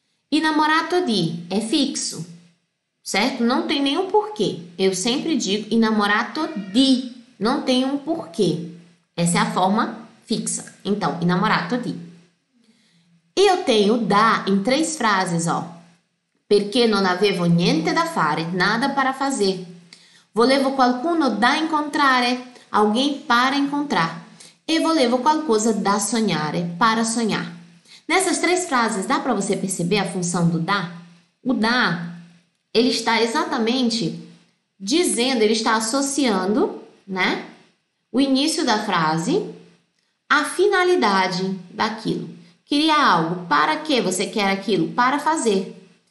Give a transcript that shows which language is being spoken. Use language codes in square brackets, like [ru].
[pt] Innamorato di é fixo, certo? Não tem nenhum porquê. Eu sempre digo innamorato di, não tem um porquê. Essa é a forma fixa. Então, innamorato di. Eu tenho da em três frases, ó. [it] Perché non avevo niente da fare, [pt] nada para fazer. [it] Volevo qualcuno da incontrare, [pt] alguém para encontrar. [it] E volevo qualcosa da sognare, para sognare. [pt] Nessas três frases, dá para você perceber a função do da? O da, ele está exatamente dizendo, ele está associando, né, o início da frase à finalidade daquilo. Queria algo, para que você quer aquilo? Para fazer.